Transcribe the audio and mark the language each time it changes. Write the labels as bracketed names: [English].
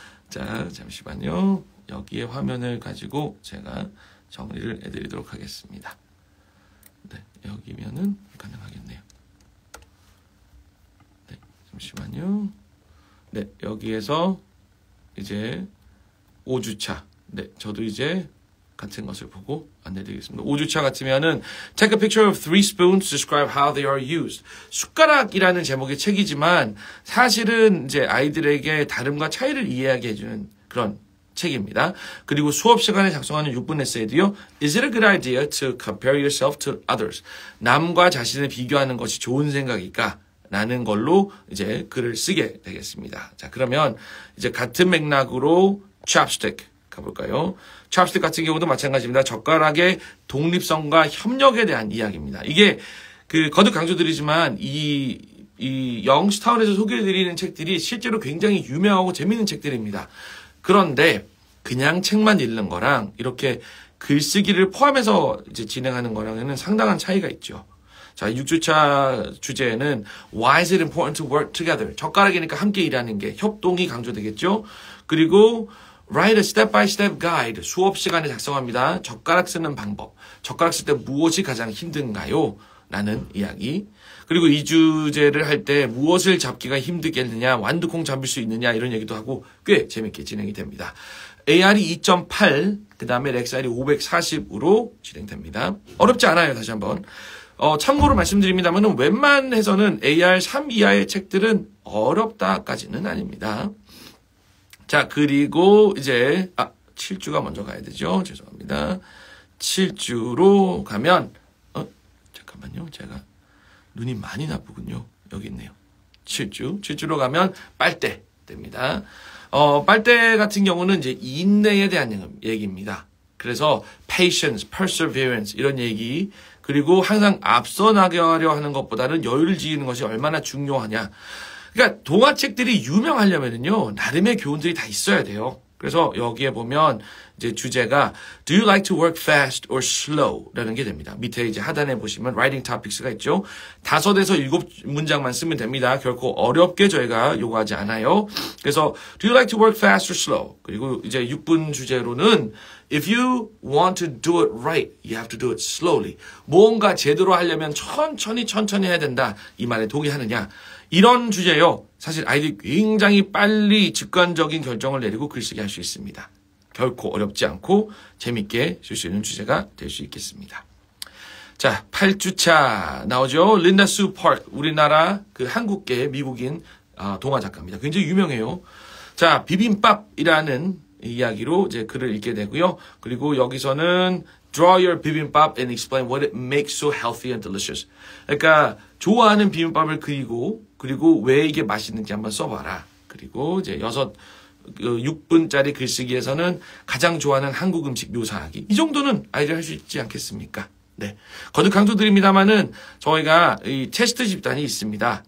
[Korean] 자, 잠시만요. 여기에 화면을 가지고 제가 정리를 해드리도록 하겠습니다. 여기면은 가능하겠네요. 네, 잠시만요. 네, 여기에서 이제 5주차. 네, 저도 이제 같은 것을 보고 안내드리겠습니다. [English] 5주차 같으면은 Take a picture of three spoons, describe how they are used. [Korean] 숟가락이라는 제목의 책이지만 사실은 이제 아이들에게 다름과 차이를 이해하게 해주는 그런 책입니다. 그리고 수업 시간에 작성하는 6분 에세이도요. [English] Is it a good idea to compare yourself to others? [Korean] 남과 자신을 비교하는 것이 좋은 생각일까? 라는 걸로 이제 글을 쓰게 되겠습니다. 자, 그러면 이제 같은 맥락으로 chopstick 가볼까요? chopstick 같은 경우도 마찬가지입니다. 젓가락의 독립성과 협력에 대한 이야기입니다. 이게 그 거듭 강조드리지만 이 영스타운에서 소개해드리는 책들이 실제로 굉장히 유명하고 재밌는 책들입니다. 그런데 그냥 책만 읽는 거랑 이렇게 글쓰기를 포함해서 이제 진행하는 거랑은 상당한 차이가 있죠. [English] 자, 6주차 주제에는 Why is it important to work together? [Korean] 젓가락이니까 함께 일하는 게 협동이 강조되겠죠. [English] 그리고 Write a step-by-step guide. [Korean] 수업 시간에 작성합니다. 젓가락 쓰는 방법. 젓가락 쓸 때 무엇이 가장 힘든가요? 라는 이야기. 그리고 이 주제를 할 때 무엇을 잡기가 힘들겠느냐, 완두콩 잡을 수 있느냐 이런 얘기도 하고 꽤 재밌게 진행이 됩니다. AR이 2.8, 그 다음에 렉사일이 540으로 진행됩니다. 어렵지 않아요, 다시 한번. 참고로 말씀드립니다만 웬만해서는 AR 3 이하의 책들은 어렵다까지는 아닙니다. 자, 그리고 이제 7주가 먼저 가야 되죠. 죄송합니다. 7주로 가면 잠깐만요, 제가. 눈이 많이 나쁘군요. 여기 있네요. 7주. 7주로 가면 빨대 됩니다. 빨대 같은 경우는 이제 인내에 대한 얘기입니다. 그래서 patience, perseverance 이런 얘기. 그리고 항상 앞서 나가려 하는 것보다는 여유를 지키는 것이 얼마나 중요하냐. 그러니까 동화책들이 유명하려면은요, 나름의 교훈들이 다 있어야 돼요. [English] 그래서 여기에 보면 이제 주제가 Do you like to work fast or slow? [Korean] 라는 게 됩니다. 밑에 이제 하단에 보시면 writing topics가 있죠. 다섯에서 일곱 문장만 쓰면 됩니다. 결코 어렵게 저희가 요구하지 않아요. [English] 그래서 Do you like to work fast or slow? 그리고 이제 6분 주제로는 If you want to do it right, you have to do it slowly. [Korean] 뭔가 제대로 하려면 천천히 해야 된다. 이 말에 동의하느냐. 이런 주제요. 사실 아이들이 굉장히 빨리 직관적인 결정을 내리고 글쓰기 할 수 있습니다. 결코 어렵지 않고 재미있게 쓸 수 있는 주제가 될 수 있겠습니다. 자, 8주차 나오죠. 린다 수 파크, 우리나라 그 한국계 미국인 동화 작가입니다. 굉장히 유명해요. 자, 비빔밥이라는 이야기로 이제 글을 읽게 되고요. [English] 그리고 여기서는 Draw your bibimbap and explain what it makes so healthy and delicious. [Korean] 그러니까 좋아하는 비빔밥을 그리고 왜 이게 맛있는지 한번 써봐라. 그리고 이제 6분짜리 글쓰기에서는 가장 좋아하는 한국 음식 묘사하기. 이 정도는 아이들 할 수 있지 않겠습니까? 네. 거듭 강조드립니다만은 저희가 이 테스트 집단이 있습니다.